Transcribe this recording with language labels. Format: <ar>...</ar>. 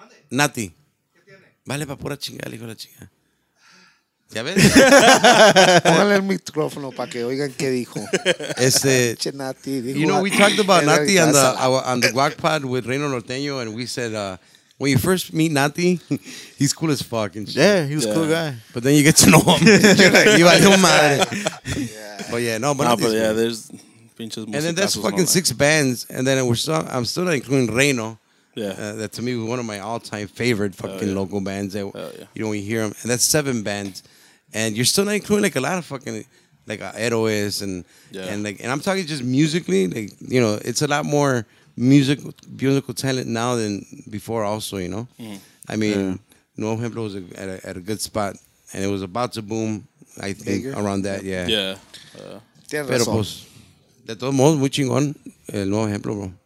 <es>Nati. ¿Qué tiene? Vale, para pura chingada, hijo de la chingada. ¿Ya ves? Póngale el micrófono para que oigan qué dijo. Este, che, Nati, dijo,</es> <en>you know, we talked about Nati on the Guac Pod with Reino Norteño, and we said, when you first meet Nati, he's cool as fuck. And shit. Yeah, he was a cool guy. But then you get to know him. You're like, madre. But yeah, no, but nah, but yeah, man. There's... And then that's fucking six bands, and then we're still, I'm still not including Reino. Yeah, that to me was one of my all-time favorite fucking local bands. That, you know, when you hear them, and that's seven bands, and you're still not including like a lot of fucking like Aeroes and and like, and I'm talking just musically, like, you know, it's a lot more musical talent now than before. Also, you know, I mean, Nuevo Ejemplo was at a good spot, and it was about to boom, I think, bigger? Around that. Yeah, yeah.</en> <es>Pero pues, de todos modos, muy chingón el Nuevo Ejemplo, bro.</es>